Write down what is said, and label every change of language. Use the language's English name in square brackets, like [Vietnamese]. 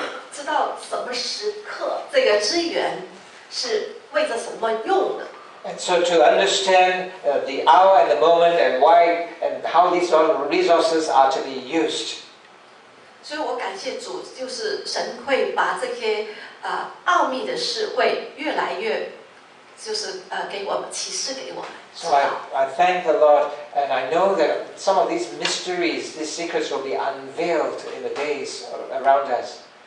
[Chinese] 知道什么时刻这个资源是为着什么用的? [English] And so to understand the hour and the moment and why and how these resources are to be used. [Chinese] 所以我感谢主，就是神会把这些 奥秘的事会越来越，就是给我们启示给我们。 [English] So I thank the Lord, and I know that some of these mysteries, these secrets will be unveiled in the days around us.